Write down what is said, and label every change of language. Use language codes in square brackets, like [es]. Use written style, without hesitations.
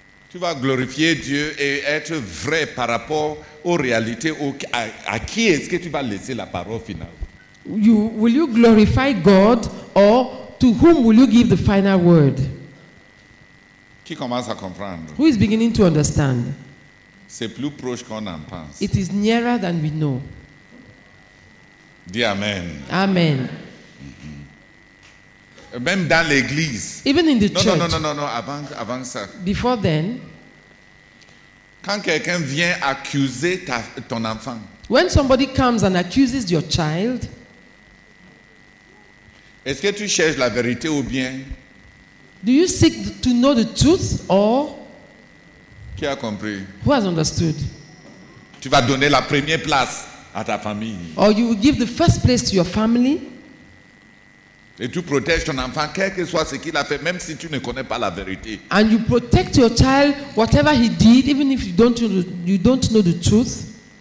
[fr] Tu vas glorifier Dieu et être vrai par rapport aux réalités. À qui est-ce que tu vas laisser la parole finale? [en] Will you glorify God or to whom will you give the final word? [fr] Qui commence à comprendre? [en] Who is beginning to understand? [fr] C'est plus proche qu'on en pense. [en] It is nearer than we know. [fr] Dis amen. Amen. Même dans l'église. [en] Even in the church. [fr] Non. Avant ça. [en] Before then. [fr] Quand quelqu'un vient accuser ton enfant. [en] When somebody comes and accuses your child. [fr] Est-ce que tu cherches la vérité ou bien? [en] Do you seek to know the truth or? [fr] Qui a compris? [en] Who has understood? [fr] Tu vas donner la première place à ta famille. [en] Or you will give the first place to your family. [fr] Et tu protèges ton enfant, quel que soit ce qu'il a fait, même si tu ne connais pas la vérité. [en] And you protect your child, whatever he did, even if you don't know the truth.